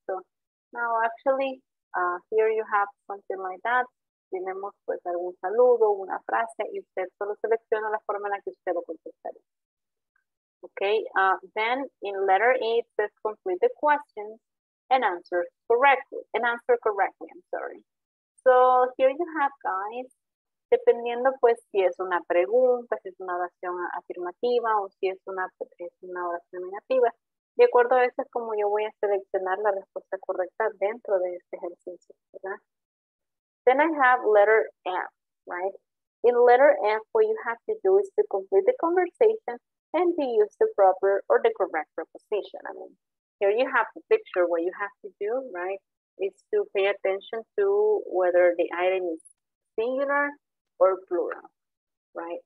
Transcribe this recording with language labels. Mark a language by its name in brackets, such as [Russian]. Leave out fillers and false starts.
[English] So now actually, here you have something like that. [Spanish] Tenemos pues algún saludo, una frase, y usted solo selecciona la forma en la que usted lo contestaría. [English] Okay, then in letter A, it says complete the questions and answer correctly. So here you have, guys, [Spanish] dependiendo pues si es una pregunta, si es una oración afirmativa o si es una oración negativa. De acuerdo a eso es como yo voy a seleccionar la respuesta correcta dentro de este ejercicio, ¿verdad? [English] Then I have letter F, right? In letter F, what you have to do is to complete the conversation and to use the proper or the correct preposition. I mean, here you have the picture. What you have to do, right, is to pay attention to whether the item is singular or plural, right?